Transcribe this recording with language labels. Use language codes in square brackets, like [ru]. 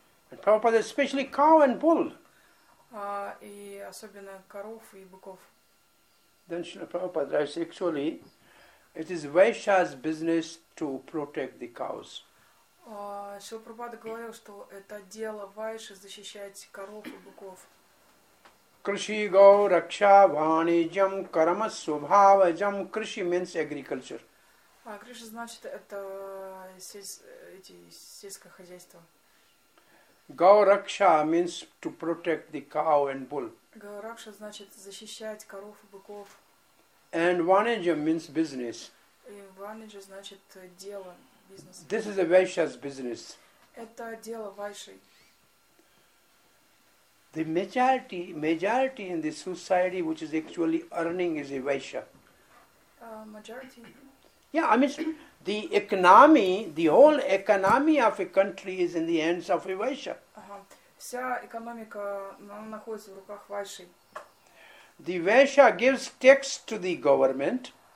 [en] And Prabhupada, especially cow and bull. [ru] И особенно коров и быков. [en] Then Srila Prabhupada writes, actually, it is Vaishya's business to protect the cows. [ru] Шрила Прабхупада говорил, что это дело Вайши защищать коров и быков. [sa] Крши гау ракша вани джам карама субхава джам. [en] Крши means agriculture. [ru] Крши значит это сельское хозяйство. [en] Гау ракша means to protect the cow and bull. [ru] Гау ракша значит защищать коров и быков. [en] And вани джам means business. [ru] И вани джам значит дело. [en] This is a Vaishya's business. [ru] Это дело Вайши. [en] The majority in the society which is actually earning is a Vaishya. Majority? Yeah, I mean, the economy, the whole economy of a country is in the hands of a Vaishya. [ru] Вся экономика находится в руках Вайши. [en] The Vaishya gives tax to the government.